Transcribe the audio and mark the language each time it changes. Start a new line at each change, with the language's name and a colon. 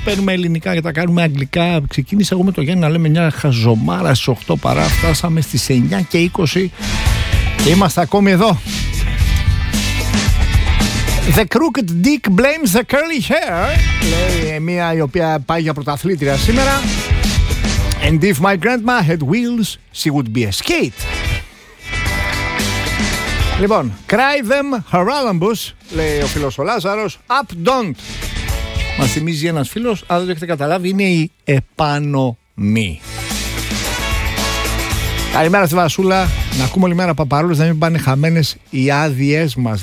Greek: Παίρνουμε ελληνικά και τα κάνουμε αγγλικά. Ξεκίνησα εγώ με το Γιάννη να λέμε μια χαζομάρα στις 8 παρά, φτάσαμε στις 9 και 20 και είμαστε ακόμη εδώ.
English: The crooked dick blames the curly hair,
Greek: λέει μία η οποία πάει για πρωταθλήτρια σήμερα.
English: And if my grandma had wheels, she would be a skate.
Greek: Λοιπόν,
English: cry them haralambus,
Greek: λέει ο φίλος ο Λάζαρος.
English: Up don't.
Greek: Μας θυμίζει ένας φίλος, αν δεν το έχετε καταλάβει, είναι η επάνω μη. Καλημέρα στη Βασούλα. Να ακούμε όλη μέρα παπαρούλες, να μην πάνε χαμένες οι άδειές μας.